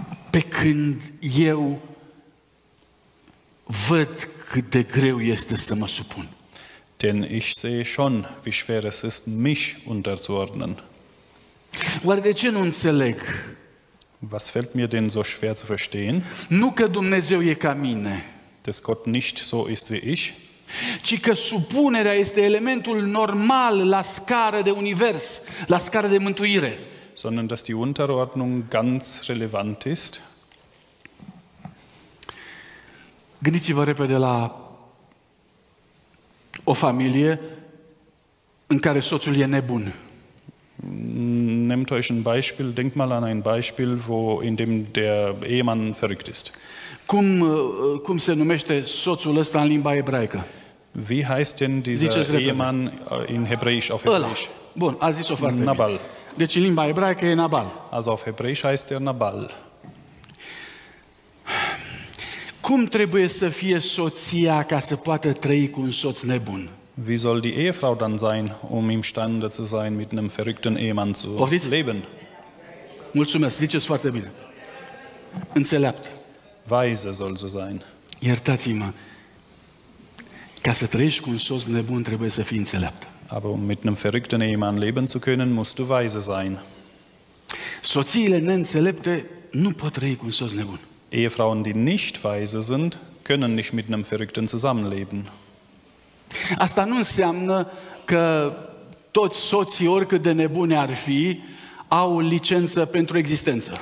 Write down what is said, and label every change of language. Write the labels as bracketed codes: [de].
[ro] Pe când eu văd cât de greu este să mă supun. [de] Denn ich sehe schon, wie schwer es ist, mich unterzuordnen. [ro] Oare de ce nu înțeleg? [de] Was fällt mir denn so schwer zu verstehen? [ro] Nu că Dumnezeu e ca mine. [de] Dass Gott nicht so ist wie ich. [ro] ci că supunerea este elementul normal la scară de univers, la scară de mântuire. [de] Sondern dass die Unterordnung ganz relevant ist. [ro] Gândiți-vă repede la o familie în care soțul e nebun. [de] Nehmt euch ein Beispiel, denkt mal an ein Beispiel, wo in dem der Ehemann verrückt ist. [ro] Cum se numește soțul ăsta în limba ebraică? [de] Wie heißt denn dieser Ehemann in Hebräisch auf Englisch? [ro] Bun, a zis-o foarte bine. Nabal. Deci în limba ebraică e Nabal. [de] Also auf Hebräisch heißt er Nabal. [ro] Cum trebuie să fie soția ca să poată trăi cu un soț nebun? [de] Wie soll die Ehefrau dann sein, um imstande zu sein, mit einem verrückten Ehemann zu [ro] Poftiți? [de] Leben? [ro] Mulțumesc, ziceți foarte bine. Înțelept. [de] Weise soll sie sein. [ro] Iertați-mă. Ca să trăiești cu un soț nebun, trebuie să fii înțelept. [de] Aber um mit einem verrückten Ehemann leben zu können, musst du weise sein. [ro] Soțiile neînțelepte nu pot trăi cu un soț nebun. [de] Ehefrauen, die nicht weise sind, können nicht mit einem Verrückten zusammenleben. [ro] Asta nu înseamnă că toți soții, oricât de nebune ar fi, au licență pentru existență.